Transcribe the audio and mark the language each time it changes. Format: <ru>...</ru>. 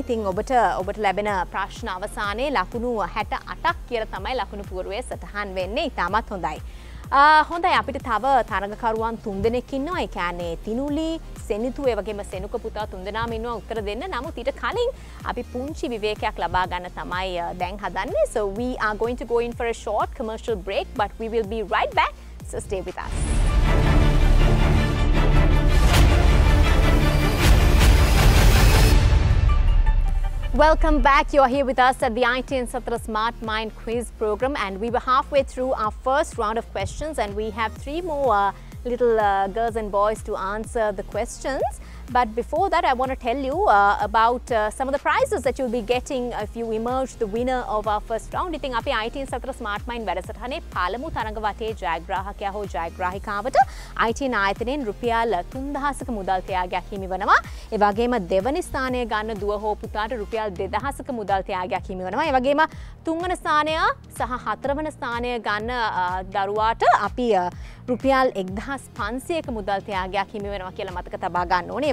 <si>ඉතින් ඔබට ලැබෙන ප්‍රශ්න අවසානයේ ලකුණු 68ක් කියලා තමයි ලකුණු පුවරුවේ සටහන් වෙන්නේ. ඉතාමත් හොඳයි. හොඳයි, අපිට තව තරගකරුවන් 3 දෙනෙක් ඉන්නවා. ඒ කියන්නේ තිනුලි, සෙනිතු, ඒ වගේම සෙනුක පුතා 3 දෙනාම ඉන්නවා උත්තර දෙන්න. නමුත් ඊට කලින් අපි පුංචි විවේකයක් ලබා ගන්න තමයි දැන් හදන්නේ.</si> <en>So we are going to go in for a short commercial break, but we will be right back. So stay with us. Welcome back. You are here with us at the ITN Satra Smart Mind Quiz program, and we were halfway through our first round of questions, and we have 3 more little girls and boys to answer the questions. But before that, I want to tell you about some of the prizes that you'll be getting if you emerge the winner of our first round.</en> <si>ඉතින් අපි ITN සතර Smart Mind වැඩසටහනේ පළමු තරඟවතේ ජයග්‍රාහකයා හෝ ජයග්‍රාහිකාවට ITN ආයතනයෙන් රුපියල් 3000ක මුදල් තියාගයක් හිමි වෙනවා. ඒ වගේම දෙවන ස්ථානය ගන්න දුව හෝ පුතාට රුපියල් 2000ක මුදල් තියාගයක් හිමි වෙනවා. ඒ වගේම තුන්වන ස්ථානය සහ හතරවන ස්ථානය ගන්න දරුවාට අපි රුපියල් 1500ක මුදල් තියාගයක් හිමි වෙනවා කියලා මතක තබා ගන්න ඕනේ.</si>